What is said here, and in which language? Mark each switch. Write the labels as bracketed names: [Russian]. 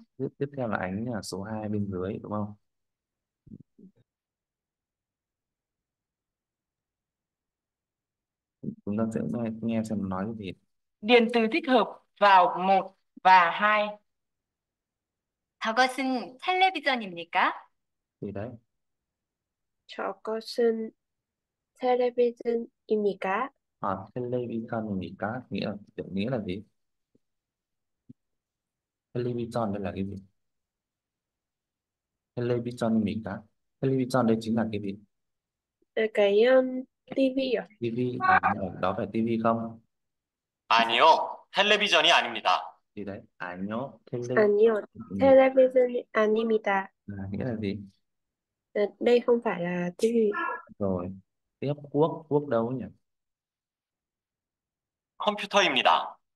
[Vietnamese] Tiếp theo là ánh nhà số 2 bên dưới đúng không? Chúng ta sẽ nghe xem nói cái gì. Điền từ thích hợp vào một và hai. [Korean] 저것은 텔레비전입니까? [Vietnamese] Thì đấy. [Korean] 저것은 텔레비전입니까? [Vietnamese] À, television thì cá nghĩa là, tự nghĩa là gì? Television đây là cái gì? Television thì cá. Television đây chính là cái gì? Cái tivi à? TV à, đó phải TV không? [Korean] 아니요, 텔레비전이 아닙니다. [Vietnamese] Thì đấy, anh nhớ [Korean] 아니요, [English] television. [Korean] television 아닙니다. [Vietnamese] À, nghĩa là gì? Đây không phải là TV. Rồi, tiếp quốc, quốc đâu nhỉ? [Korean] Computer입니다.